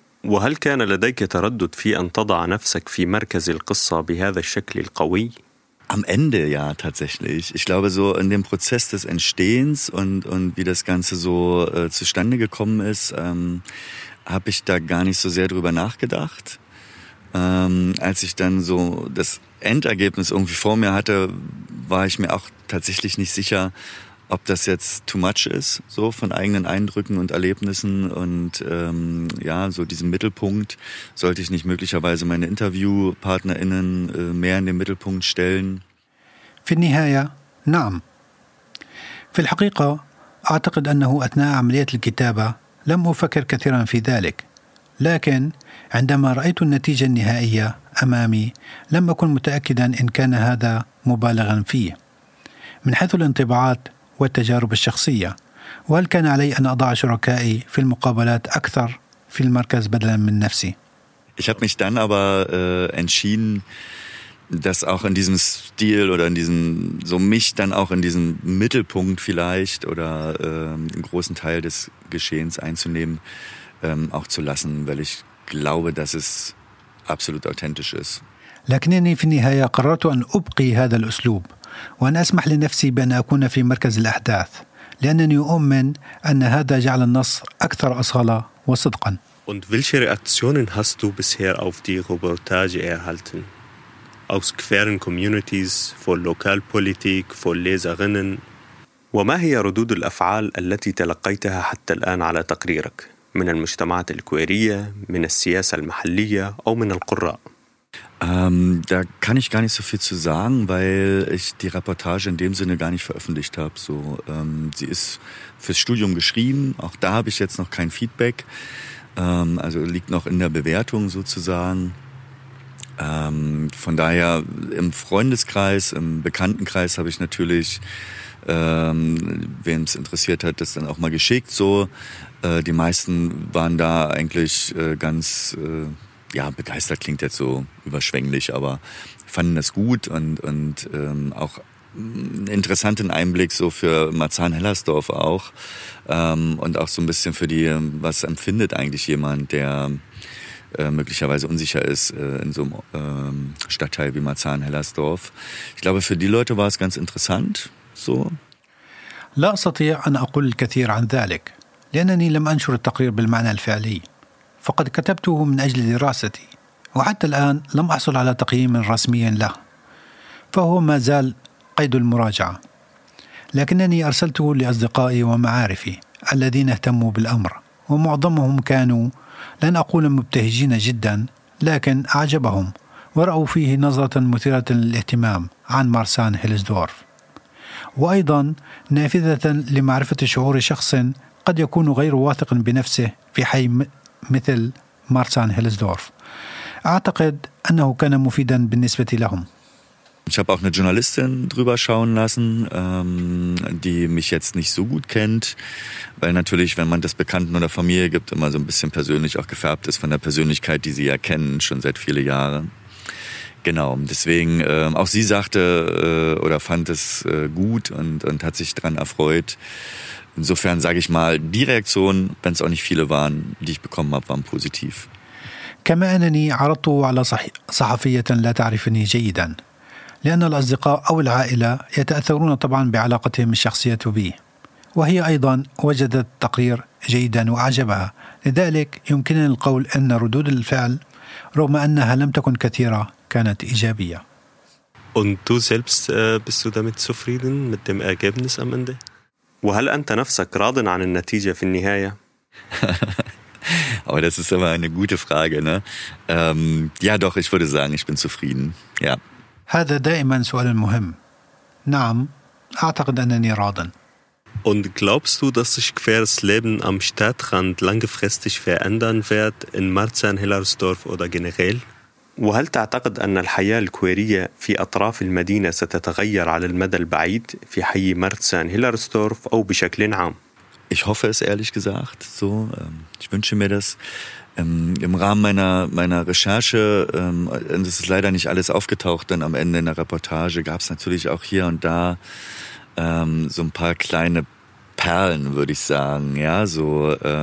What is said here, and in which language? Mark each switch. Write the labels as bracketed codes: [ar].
[ar] وهل كان لديك تردد في أن تضع نفسك في مركز القصة بهذا الشكل القوي؟ [de] Am Ende ja tatsächlich. Ich glaube, so in dem Prozess des Entstehens und wie das Ganze so zustande gekommen ist, habe ich da gar nicht so sehr drüber nachgedacht. Als ich dann so das Endergebnis irgendwie vor mir hatte, war ich mir auch tatsächlich nicht sicher, ob das jetzt [en] too much [de] ist, so von eigenen Eindrücken und Erlebnissen und ja, so diesem Mittelpunkt. Sollte ich nicht möglicherweise meine InterviewpartnerInnen mehr in den Mittelpunkt stellen? [ar] في النهاية نعم. في الحقيقة أعتقد أنه أثناء عملية الكتابة لم أفكر كثيرا في ذلك، لكن عندما رأيت النتيجة النهائية أمامي لم أكن متأكدا إن كان هذا مبالغا فيه من حيث الانطباعات والتجارب الشخصية، وهل كان علي أن أضع شركائي في المقابلات أكثر في المركز بدلاً من نفسي؟ [de] Ich habe mich dann aber entschieden, das auch in diesem Stil oder in diesem, so mich dann auch in diesem Mittelpunkt vielleicht oder einen großen Teil des Geschehens einzunehmen, auch zu lassen, weil ich glaube, dass es absolut authentisch ist. [ar] لكنني في النهاية قررت أن أبقي هذا الأسلوب وأن أسمح لنفسي بأن أكون في مركز الأحداث، لأنني أؤمن أن هذا جعل النص أكثر أصالة وصدقا. [de] Und welche Reaktionen hast du bisher auf die Reportage erhalten? Aus queeren Communities, von Lokalpolitik, von Leserinnen? [ar] وما هي ردود الأفعال التي تلقيتها حتى الآن على تقريرك؟ من المجتمعات الكويرية، من السياسة المحلية أو من القراء؟ [de] Da kann ich gar nicht so viel zu sagen, weil ich die Reportage in dem Sinne gar nicht veröffentlicht habe. So, sie ist fürs Studium geschrieben, auch da habe ich jetzt noch kein Feedback. Also liegt noch in der Bewertung sozusagen. Von daher im Freundeskreis, im Bekanntenkreis habe ich natürlich, wem es interessiert hat, das dann auch mal geschickt. So, die meisten waren da eigentlich ganz... ja, begeistert klingt jetzt so überschwänglich, aber fanden das gut und auch einen interessanten Einblick so für Marzahn-Hellersdorf auch und auch so ein bisschen für die, was empfindet eigentlich jemand, der möglicherweise unsicher ist in so einem Stadtteil wie Marzahn-Hellersdorf. Ich glaube, für die Leute war es ganz interessant so. [ar] لا أستطيع أن أقول الكثير عن ذلك لأنني لم أنشر التقرير بالمعنى الفعلي. فقد كتبته من أجل دراستي وحتى الآن لم أحصل على تقييم رسمي له فهو ما زال قيد المراجعة لكنني أرسلته لأصدقائي ومعارفي الذين اهتموا بالأمر ومعظمهم كانوا لن أقول مبتهجين جدا لكن أعجبهم ورأوا فيه نظرة مثيرة للاهتمام عن مارسان هيلسدورف وأيضا نافذة لمعرفة شعور شخص قد يكون غير واثق بنفسه في حي مثل مارسان هيلسدورف. أعتقد أنه كان مفيدا بالنسبة لهم. [de] Ich habe auch eine Journalistin drüber schauen lassen, die mich jetzt nicht so gut kennt, weil natürlich, wenn man das Bekannten oder Familie gibt, immer so ein bisschen persönlich auch gefärbt ist von der Persönlichkeit, die sie ja kennen, schon seit viele Jahre. Genau, deswegen, auch sie sagte oder fand es gut und hat sich dran erfreut. Insofern sage ich mal, die Reaktionen, wenn es auch nicht viele waren, die ich bekommen habe, waren positiv. [ar] كما أنني عرضت على صحفية لا تعرفني جيدا لأن الأصدقاء أو العائلة يتأثرون طبعا بعلاقتهم الشخصية بي وهي أيضا وجدت التقرير جيدا وأعجبها لذلك يمكنني القول أن ردود الفعل رغم أنها لم تكن كثيرة كانت إيجابية. [de] Und du selbst bist du damit zufrieden mit dem Ergebnis am Ende? [ar] وهل أنت نفسك راض عن النتيجة في النهاية؟ [de] Aber das ist immer eine gute Frage, ne? Ja, doch, ich würde sagen, ich bin zufrieden. Ja. [ar] هذا دائما سؤال مهم. نعم، أعتقد أنني راض. [de] Und glaubst du, dass sich queeres Leben am Stadtrand langfristig verändern wird in Marzahn-Hellersdorf oder generell? [ar] وهل تعتقد أن الحياة الكويرية في أطراف المدينة ستتغير على المدى البعيد في حي مارتسان هيلرستورف أو بشكل عام؟ [de] Ich hoffe es ehrlich gesagt so. Ich wünsche mir das. Im Rahmen meiner Recherche, es ist leider nicht alles aufgetaucht, denn am Ende in der Reportage gab es natürlich auch hier und da so ein paar kleine Perlen, würde ich sagen. Ja, so...